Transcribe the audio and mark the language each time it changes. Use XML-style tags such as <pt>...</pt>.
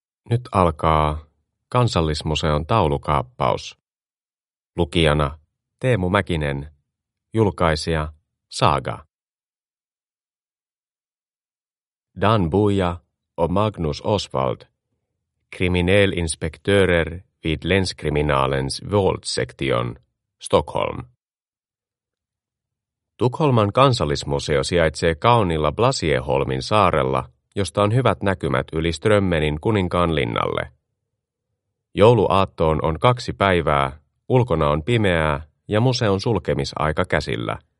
<fi>Nyt alkaa Kansallismuseon taulukaappaus. Lukijana Teemu Mäkinen, julkaisija Saga.</fi> <sv>Dan Buja och Magnus Oswald, kriminellinspektörer vid länskriminalens våldssektion, Stockholm.</sv> <fi>Tukholman kansallismuseo sijaitsee kauniilla Blasieholmin saarella, josta on hyvät näkymät yli Strömmenin kuninkaan linnalle. Jouluaattoon on 2 päivää, ulkona on pimeää ja museon sulkemisaika käsillä.</fi>